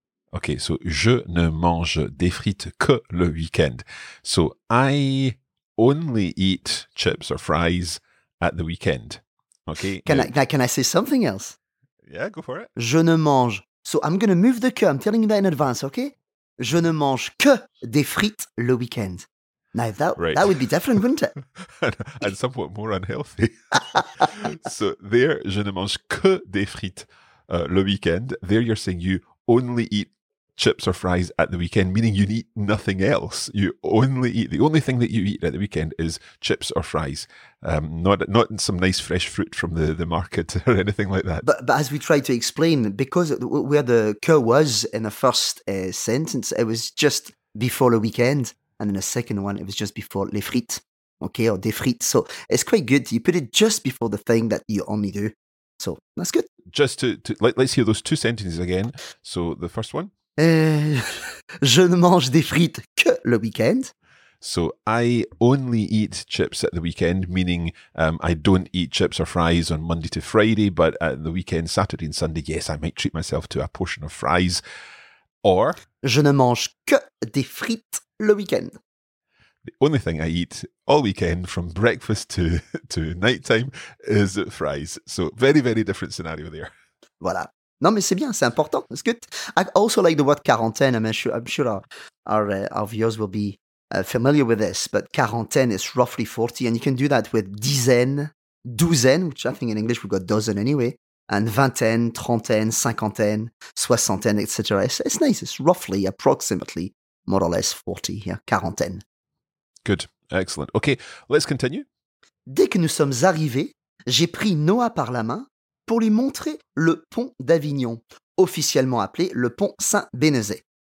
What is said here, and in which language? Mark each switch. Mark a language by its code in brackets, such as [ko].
[en] Okay, so [fr] je ne mange des frites que le weekend. [en] So I only eat chips or fries at the weekend. Okay. Can I say something else? Yeah, go for it. [fr] Je ne mange. [en] So I'm going to move the que. I'm telling you that in advance, okay? [fr] Je ne mange que des frites le weekend. [en] Now, that would be different, wouldn't it? And somewhat more unhealthy. So there, [fr] je ne mange que des frites le weekend. [en] There you're saying you only eat chips or fries at the weekend, meaning you eat nothing else. You only eat, the only thing that you eat at the weekend is chips or fries. Not some nice fresh fruit from the market or anything like that. But as we tried to explain, because where the cur was in the first sentence, it was just before the weekend. And in the second one, it was just before [fr] les frites. [en] Okay, or [fr] des frites. [en] So it's quite good. You put it just before the thing that you only do. So that's good. Just let's hear those two sentences again. So the first one. [fr] Je ne mange des frites que le week-end. [en] So I only eat chips at the weekend, meaning I don't eat chips or fries on Monday to Friday, but at the weekend, Saturday and Sunday, yes, I might treat myself to a portion of fries. Or. [fr] Je ne mange que des frites le week-end. [en] The only thing I eat all weekend from breakfast to nighttime is fries. So very, very different scenario there. [fr] Voilà. Non, mais c'est bien, c'est important, [en] it's good. I also like the word quarantaine. I mean, I'm sure our viewers will be familiar with this, but quarantaine is roughly 40, and you can do that with dizaine, douzaine, which I think in English we've got dozen anyway, and vingtaine, trentaine, cinquantaine, soixantaine, etc. It's nice, it's roughly, approximately, more or less 40, yeah, quarantaine. Good, excellent. Okay, let's continue. [fr] Dès que nous sommes arrivés, j'ai pris Noah par la main pour lui montrer le pont d'Avignon, officiellement appelé le pont Saint-Bénézé.